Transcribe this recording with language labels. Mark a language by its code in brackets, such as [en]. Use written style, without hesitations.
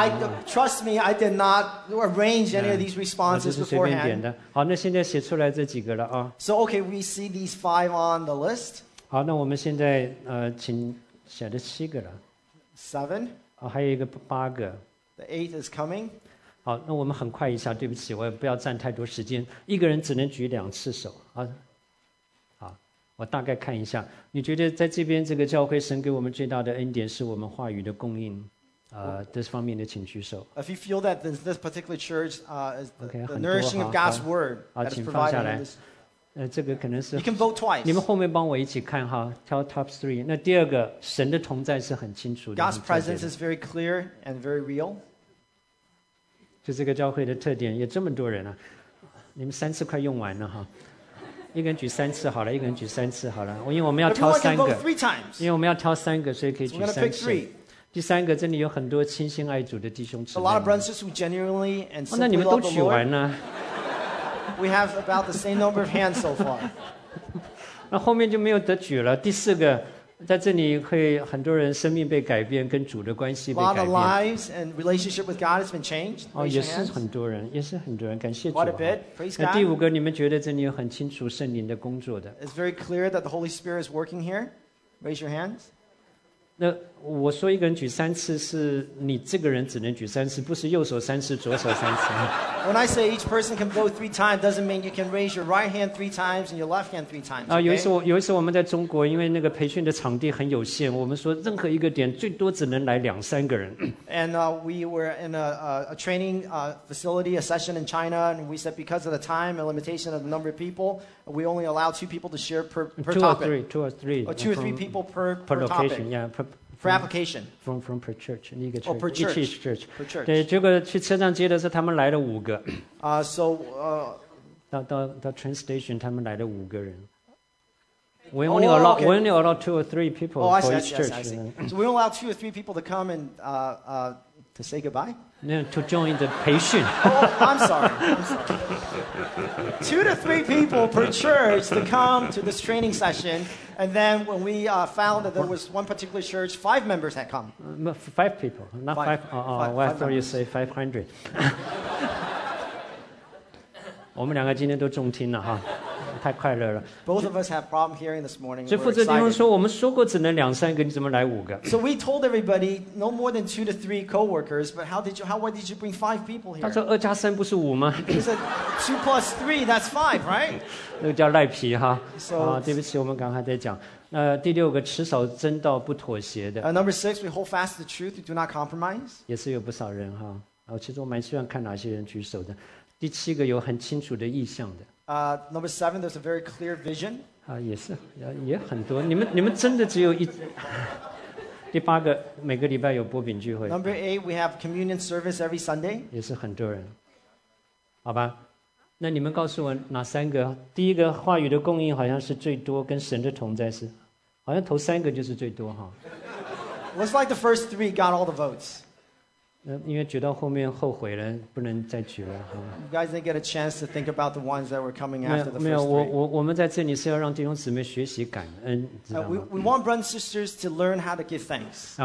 [en] I trust me, I did not arrange any of these responses beforehand. [zh] 我就是随便点的。好，那现在写出来这几个了啊。 [en] So okay, we see these five on the list. [zh] 好，那我们现在请写的七个了。 [en] Seven. [zh] 啊，还有一个八个。 [en] The eighth is coming. [zh] 好，那我们很快一下，对不起，我也不要占太多时间。一个人只能举两次手啊。我大概看一下，你觉得在这边这个教会神给我们最大的恩典是我们话语的供应，这方面的请举手。 [en] If you feel that this particular church is the nourishing of God's word, that is providing this. [zh] 这个可能是。 [en] You can vote twice. [zh] 你们后面帮我一起看哈，挑 [en] top three。 [zh] 那第二个，神的同在是很清楚的。 [en] God's presence is very clear and very real. [zh] 就这个教会的特点，也这么多人啊，你们三次快用完了哈。一个人举三次好了，一个人举三次好了，因为我们要挑三个，因为我们要挑三个，所以可以举三次。第三个，这里有很多倾心爱主的弟兄姊妹。 [en] A lot of brothers who genuinely and simply love the Lord. [zh] 那你们都举完了。 [en] We have about the same number of hands so far. [zh] 那后面就没有得举了。第四个，在这里会很多人生命被改变，跟主的关系被改变。 [en] A lot of lives and relationship with God has been changed. [zh] 哦，也是很多人，也是很多人，感谢主。 [en] Quite a bit, praise God. [zh] 第五个，你们觉得这里有很清楚圣灵的工作的 [en] ？It's very clear that the Holy Spirit is working here. Raise your hands. [zh] 那我说一个人举三次，是你这个人只能举三次，不是右手三次，左手三次。 [en] When I say each person can vote three times, doesn't mean you can raise your right hand three times and your left hand three times. [zh] 啊，有一次我们在中国，因为那个培训的场地很有限，我们说任何一个点最多只能来两三个人。 [en] And we were in a training facility, a session in China, and we said because of the time and limitation of the number of people, we only allow two people to share per two topic. Two or three people per location. Yeah. For application, from per church, [zh] 一个 [en] church, each church. Per church. [zh] 对，结果去车站接的是他们来了五个。 [en] So, [zh] 到 [en] train station, [zh] 他们来了五个人。 [en] We only allow two or three people for each church. So we allow two or three people to come and to say goodbye. No, to join the patient. I'm sorry. Two to three people per church to come to this training session. And then when we found that there was one particular church, five members had come. Five people, not five. I thought you say 500. [zh] 我们两个今天都中听了哈。太快乐了。 [en] Both of us have problem hearing this morning. [zh] 所以负责弟兄说，我们说过只能两三个，你怎么来五个 [en] ？So we told everybody no more than two to three coworkers, but why did you bring five people here? [zh] 他说二加三不是五吗 [en] ？He said two plus three, that's five, right? [zh] 那个叫赖皮哈。 [en] So, [zh] 对不起，我们刚才在讲。第六个，持守真道不妥协的。 [en] Number six, we hold fast the truth, we do not compromise. [zh] 也是有不少人哈。其实我蛮希望看哪些人举手的。第七个，有很清楚的意向的。 [en] Number seven, there's a very clear vision. [zh] 啊，也是，也很多。你们真的只有一。第八个，每个礼拜有擘饼聚会。 [en] Number eight, we have communion service every Sunday. [zh] 也是很多人。好吧，那你们告诉我哪三个？第一个，话语的供应好像是最多，跟神的同在是，好像头三个就是最多哈。 [en] Looks like the first three got all the votes. [zh] 因为举到后面后悔了，不能再举了。 [en] You guys didn't get a chance to think about the ones that were coming after the first three. [zh] 没有，我们在这里是要让弟兄姊妹学习感恩，知道吗？ [en] We want brothers and sisters to learn how to give thanks.